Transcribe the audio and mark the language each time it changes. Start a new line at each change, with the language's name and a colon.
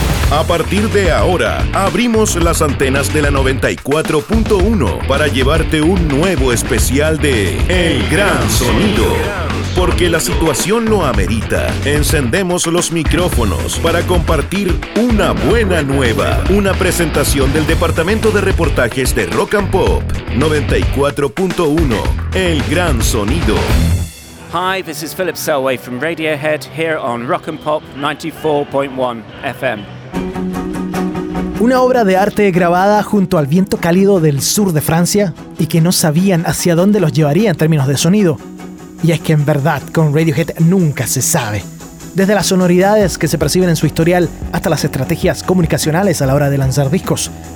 Spanish: A partir de ahora, abrimos las antenas de la 94.1 para llevarte un nuevo especial de El Gran Sonido. Porque la situación lo amerita. Encendemos los micrófonos para compartir una buena nueva. Una presentación del Departamento de Reportajes de Rock and Pop. 94.1, El Gran Sonido.
English: Hi, this is Philip Selway from Radiohead here on Rock and Pop 94.1 FM.
Spanish: Una obra de arte grabada junto al viento cálido del sur de Francia y que no sabían hacia dónde los llevaría en términos de sonido. Y es que en verdad, con Radiohead nunca se sabe. Desde las sonoridades que se perciben en su historial hasta las estrategias comunicacionales a la hora de lanzar discos.